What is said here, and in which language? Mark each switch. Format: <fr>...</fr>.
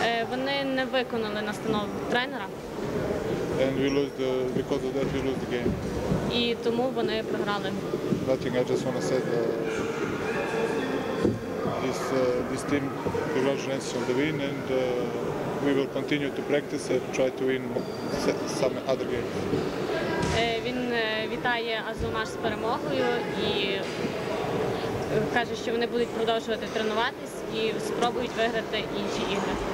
<uk>Вони не виконали настанову тренера.</uk> <en>And we lose the, because of that we lose the game.</en> <uk>І тому вони програли.</uk> <en>Nothing, I just want to say that this team, congratulations on the win, and we will continue to practice and try to win some other games.</en> <uk>Він вітає Азумаш з перемогою і каже, що вони будуть продовжувати тренуватись і спробують виграти інші ігри.</uk>